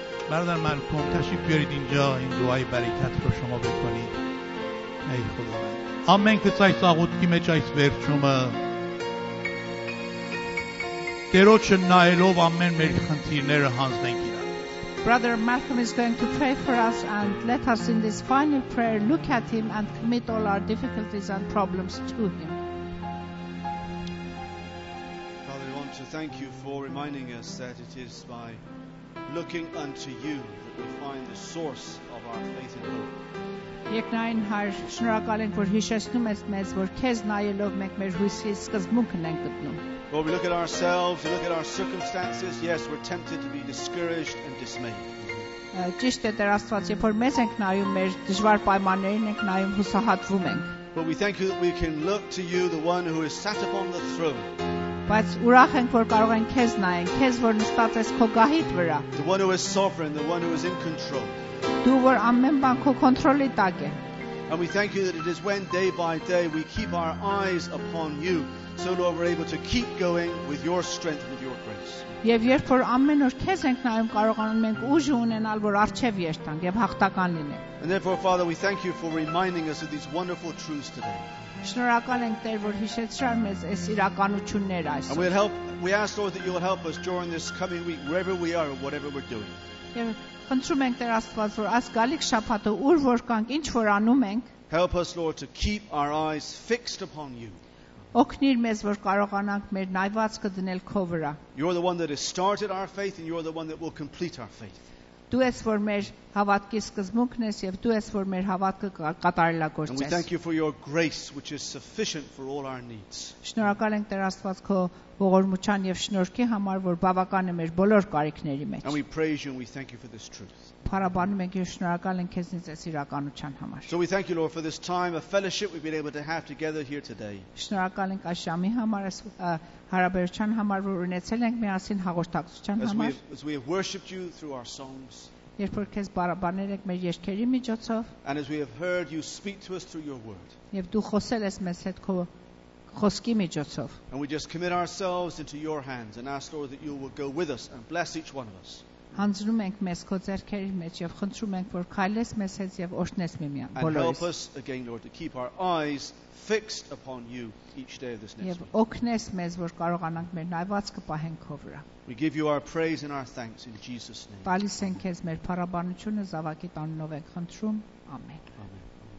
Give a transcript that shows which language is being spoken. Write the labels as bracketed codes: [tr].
[fa] برادر مالکوم تشریف بیارید اینجا، این دعای برکت رو شما بکنید. ای خدا آمین که سای ساغود کی مچایس برچوم دروچ نایلو آمین میرخان تیر نر هانز نگیر. [en] Brother Malcolm is going to pray for us, and let us in this final prayer look at him and commit all our difficulties and problems to him. Father, I want to thank you for reminding us that it is by looking unto you that we find the source of our faith and hope. [hy] Եկ նայն հայր շնորհակալենք որ հիշեցնում ես մեզ որ քեզ նայելով մենք մեր հույսի սկզբունքն ենք գտնում. [en] Well, we look at ourselves, we look at our circumstances, yes, we're tempted to be discouraged and dismayed. [hy] Ճիշտ է դեր Աստված, երբ որ մեզ ենք նայում մեր դժվար պայմաններին ենք նայում հուսահատվում ենք. [en] But we thank you that we can look to you, the one who is sat upon the throne. [hy] Բայց ուրախ ենք որ կարող ենք քեզ նայենք, քեզ որ նստած ես քո գահիդ վրա. [en] The one who is sovereign, the one who is in control. [hy] Դու որ ամեն բան քո կոնտրոլի տակ է. [en] And we thank you that it is when day by day we keep our eyes upon you, so Lord, we're able to keep going with your strength and with your grace. [hy] Եվ երբ որ ամեն օր քեզ ենք նայում, կարողանում ենք ուժ ունենալ, որ առջև երթանք եւ հաղթական լինենք. [en] And therefore, Father, we thank you for reminding us of these wonderful truths today. [hy] Շնորհակալ ենք Տեր, որ հիշեցրար մեզ այս իրականություններ այսօր. [en] And we'll help, we ask Lord that you will help us during this coming week, wherever we are or whatever we're doing. [hy] Եվ խնդրում ենք Տեր Աստված, որ այս գալիք շաբաթը ուր որ կանք, ինչ որ անում ենք, [en] help us Lord to keep our eyes fixed upon you. [hy] Օգնիր մեզ, որ կարողանանք մեր նայվածքը դնել քո վրա. [en] You're the one that has started our faith and you're the one that will complete our faith. [hy] Դու ես որ մեր հավատքի սկզբունքն ես եւ դու ես որ մեր հավատքը կատարելագործես։ [en] And we thank you for your grace which is sufficient for all our needs. [hy] Շնորհակալ ենք Տեր Աստված քո ողորմության եւ շնորհքի համար, որ բավական է մեր բոլոր կարիքների մեջ։ [en] And we praise you and we thank you for this truth. [hy] Փառաբանում ենք եւ շնորհակալ ենք քեզնից այս իրականության համար։ [en] So we thank you Lord for this time of fellowship we've been able to have together here today. [hy] Շնորհակալ ենք այս ժամի համար, այս հարաբերության համար, որ ունեցել ենք միասին հաղորդակցության համար։ [en] As we have worshiped you through our songs. [hy] Երբ որ քեզ բարաբաներ ենք մեր երկերի միջոցով. [en] And as we have heard you speak to us through your word. [hy] Եվ դու խոսել ես մեզ հետ քո խոսքի միջոցով. [en] And we just commit ourselves into your hands and ask Lord that you will go with us and bless each one of us. [hy] Հանձնում ենք մեզ քո ձեռքերի մեջ եւ խնդրում ենք որ քայլես մեզ հետ եւ օրհնես միմյան բոլորիս. [en] And help us again Lord to keep our eyes fixed upon you each day of this next week. [hy] Եվ օգնես մեզ որ կարողանանք մեր նայվածքը պահենք քո վրա. [en] We give you our praise and our thanks in Jesus name. [hy] Բալիս ենք քեզ մեր փառաբանությունը զավակի տանունով ենք խնդրում. Ամեն։